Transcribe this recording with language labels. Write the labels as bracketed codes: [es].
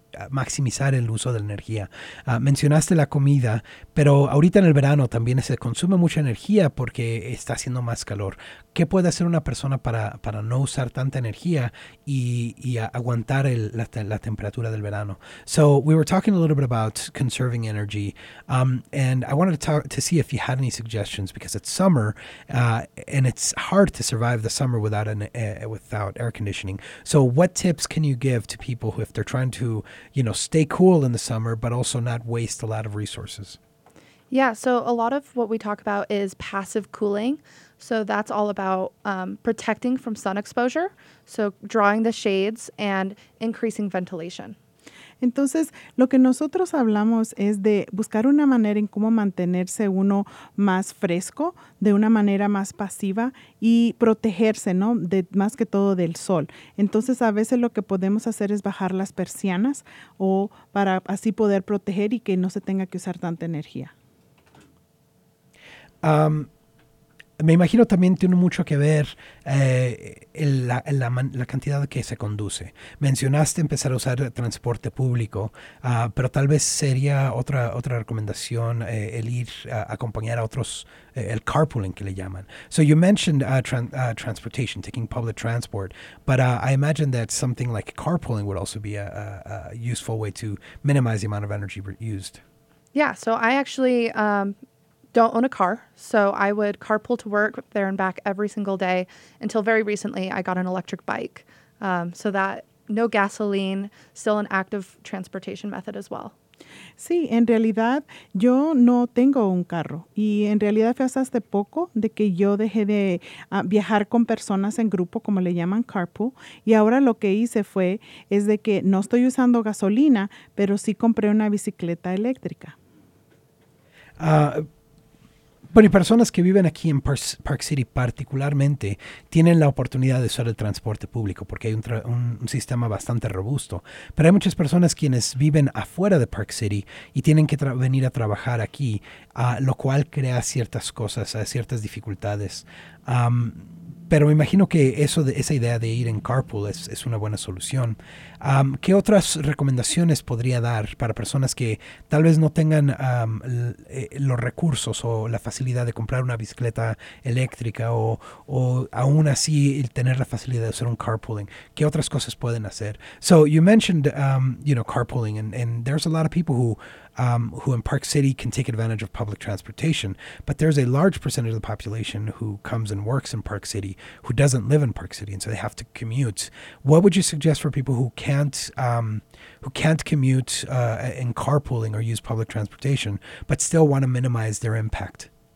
[es] maximizar el uso de la energía. Mencionaste la comida, pero ahorita en el verano también se consume mucha energía porque está haciendo más calor. ¿Qué puede hacer una persona para no usar tanta energía y aguantar la temperatura del verano? [en] So we were talking a little bit about conserving energy, and I wanted to see if you had any suggestions because it's summer, and it's hard to survive the summer without air conditioning. So what tips can you give to people if they're trying to, you know, stay cool in the summer but also not waste a lot of resources? Yeah, so a lot of what we talk about is passive cooling. So that's all about protecting from sun exposure, so drawing the shades and increasing ventilation. [es] Entonces, lo que nosotros hablamos es de buscar una manera en cómo mantenerse uno más fresco, de una manera más pasiva y protegerse, ¿no? De, más que todo del sol. Entonces, a veces lo que podemos hacer es bajar las persianas o para así poder proteger y que no se tenga que usar tanta energía. Me imagino también tiene mucho que ver la cantidad que se conduce. Mencionaste empezar a usar transporte público, pero tal vez sería otra recomendación el ir a acompañar a otros, el carpooling que le llaman. [en] So you mentioned transportation, taking public transport, but I imagine that something like carpooling would also be a useful way to minimize the amount of energy used. Yeah, so I actually... don't own a car, so I would carpool to work there and back every single day until very recently I got an electric bike. So that no gasoline, still an active transportation method as well. [es] Sí, en realidad yo no tengo un carro y en realidad fue hasta hace poco de que yo dejé de viajar con personas en grupo, como le llaman carpool, y ahora lo que hice fue es de que no estoy usando gasolina, pero sí compré una bicicleta eléctrica. Bueno, y personas que viven aquí en Park City particularmente tienen la oportunidad de usar el transporte público porque hay un sistema bastante robusto. Pero hay muchas personas quienes viven afuera de Park City y tienen que venir a trabajar aquí, lo cual crea ciertas cosas, ciertas dificultades. Pero me imagino que esa idea de ir en carpool es una buena solución. ¿Qué otras recomendaciones podría dar para personas que tal vez no tengan los recursos o la facilidad de comprar una bicicleta eléctrica o aún así tener la facilidad de hacer un carpooling? ¿Qué otras cosas pueden hacer? [en] So you mentioned, you know, carpooling, and there's a lot of people who in Park City can take advantage of public transportation, but there's a large percentage of the population who comes and works in Park City who doesn't live in Park City, and so they have to commute. What would you suggest for people who can't commute in carpooling or use public transportation, but still want to minimize their impact?